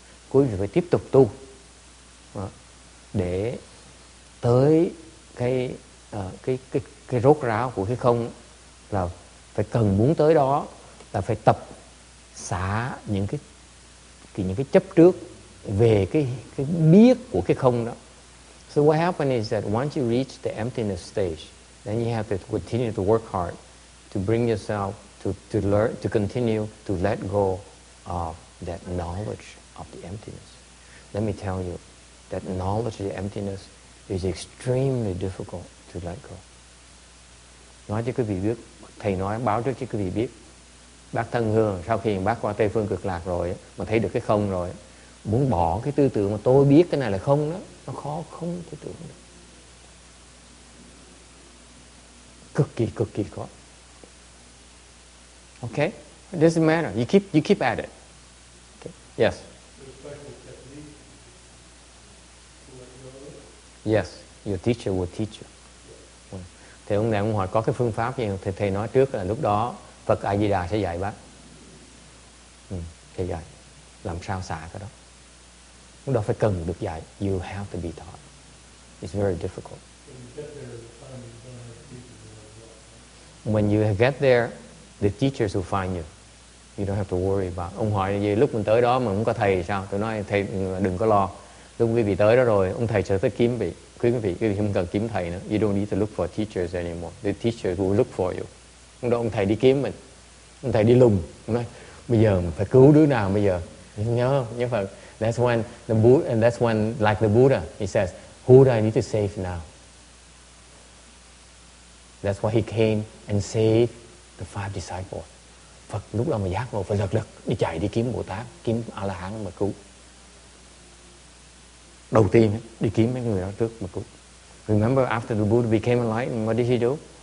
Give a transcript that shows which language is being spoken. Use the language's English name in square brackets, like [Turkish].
[Vietnamese] Quý vị phải tiếp tục tu để tới cái rốt ráo của cái không, là phải cần muốn tới đó là phải tập xả những cái chấp trước về cái biết của cái không đó. [English] So what happens is that once you reach the emptiness stage, then you have to continue to work hard to bring yourself to learn, to continue to let go of that knowledge of the emptiness. Let me tell you that knowledge of the emptiness is extremely difficult to let go. [Vietnamese] Nói cho quý vị biết, thầy nói báo trước cho quý vị biết, bác thân hương sau khi bác qua Tây Phương Cực Lạc rồi mà thấy được cái không rồi, muốn bỏ cái tư tưởng mà tôi biết cái này là không đó, nó khó không tư tưởng được. Cực kỳ khó. [English] Okay? It doesn't matter. You keep at it. Okay. Yes. Yes, your teacher will teach you. [Vietnamese] Thì ông này ông hỏi có cái phương pháp gì thì thầy nói trước là lúc đó Phật A Di Đà sẽ dạy bác. Ừ, thầy dạy làm sao xả cái đó. Lúc đó phải cần được dạy. [English] You have to be taught. It's very difficult. When you get there, the teachers will find you. You don't have to worry about. [Vietnamese] Ông hỏi gì lúc mình tới đó mà không có thầy thì sao? Tôi nói thầy đừng có lo. Lúc quý vị tới đó rồi, ông thầy sẽ tới kiếm vị. Quý vị không cần kiếm thầy nữa. [English] You don't need to look for teachers anymore. The teachers will look for you. [Vietnamese] Ông đó ông thầy đi kiếm mình. Ông thầy đi lùng. Ông nói, bây giờ mình phải cứu đứa nào bây giờ? Nhớ Phật. [English] That's when, like the Buddha, he says, who do I need to save now? That's why he came and saved the five disciples. [Vietnamese] Phật lúc đó mà giác ngộ, phải lật đi chạy đi kiếm Bồ Tát, kiếm A-la-hán mà cứu. Đầu tiên đi kiếm mấy người đó trước mà cứu. [English] Remember after the Buddha became enlightened, what did he do?